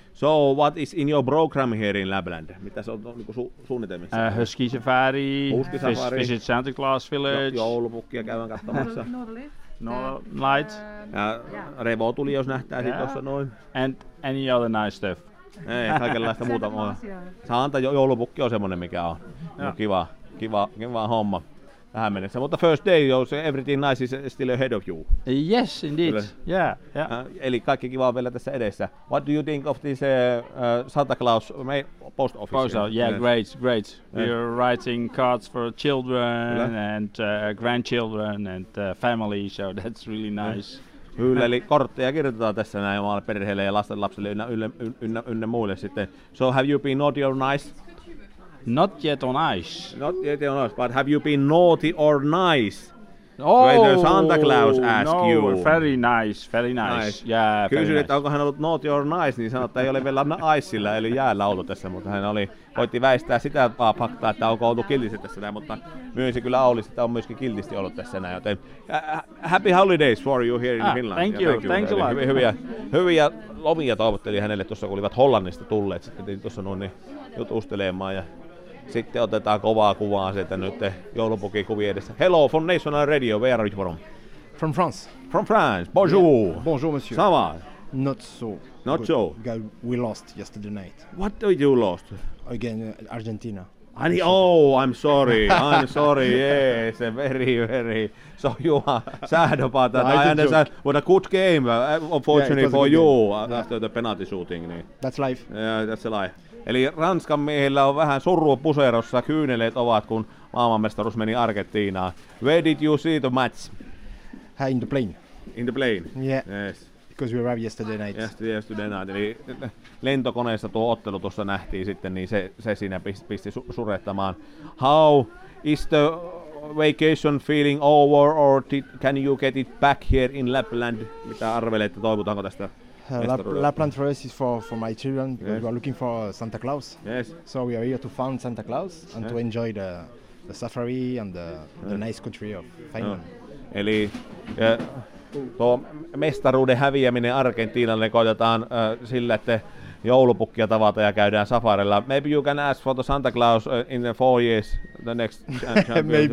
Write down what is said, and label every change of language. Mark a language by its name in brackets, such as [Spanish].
[English] So what is in your program here in Lapland? [Finnish] Mitä se on niinku suunnitelmissa? [English] Husky safari. Husky safari. Visit Santa Claus village. [Finnish] Joulupukkia käydään katsomassa. [English] Light. [Finnish] Revo tuli jos nähtää sit tuossa noin. [English] And any other nice stuff. [Finnish] Ei, kaikenlaista muuta. Santa joulupukki on semmoinen mikä on. No, kiva homma tähän mennessä. [English] Mutta first day, everything nice is still ahead of you. Yes, indeed. Yeah. [Finnish] Eli kaikki kiva on vielä tässä edessä. [English] What do you think of this Santa Claus post office? Great. Yeah. We are writing cards for children and grandchildren and family, so that's really nice. Yeah. [Finnish] Kyllä, eli kortteja kirjoitetaan tässä näin omalle perheelle ja lastenlapselle ynnä muille sitten. [English] So have you been naughty or nice? Not yet on ice. Not yet on ice, but have you been naughty or nice? Oh, whether Santa Claus ask no, you. Very nice. Yeah, [Finnish] kysyin, [English] nice. [Finnish] Että onko hän ollut [English] naughty or nice, [Finnish] niin sanoi, että ei ole vielä icella, eli jäällä ollut tässä, mutta hän oli, voitti väistää sitä vaan faktaa, että onko ollut kiltisti tässä näin, mutta myönsi kyllä Aulis, että on myöskin kiltisti ollut tässä näin, joten [English] happy holidays for you here in Finland. Thank you. [Finnish] Hyviä lomia toivotteli hänelle tuossa, kun olivat Hollannista tulleet, sitten piti tuossa noin jutustelemaan ja sitten otetaan kovaa kuvaa sieltä nyt joulupukin kuvien edessä. [English] Hello from National Radio, where are you from? From France. From France, bonjour. Yeah. [French] Bonjour, monsieur. Ça va? [English] Not so. We lost yesterday night. What did you lost? Again, Argentina. I'm sorry, yes, very, very. So you are sad about that. No, I understand. What a good game, unfortunately for you, after the penalty shooting. [Finnish] Niin. [English] That's life. Yeah, that's a life. [Finnish] Eli Ranskan miehillä on vähän surua puserossa, kyyneleet ovat, kun maailmanmestaruus meni Argentiinaan. [English] Where did you see the match? In the plane. In the plane? Yeah. Yes. Because we arrived yesterday night. Yesterday night. [Finnish] Eli lentokoneessa tuo ottelu tuossa nähtiin sitten, niin se siinä pisti surettamaan. [English] How is the vacation feeling over or can you get it back here in Lapland? [Finnish] Mitä arvelet, toivotaanko tästä? [English] Lapland for us is for my children because we are looking for Santa Claus. Yes. So we are here to find Santa Claus and to enjoy the safari and the nice country of Finland. [Finnish] Eli tuo mestaruuden häviäminen Argentiinalle koitetaan sillä, että joulupukkia tavata ja käydään safarilla. [English] Maybe you can ask for the Santa Claus in the 4 years, the next champion.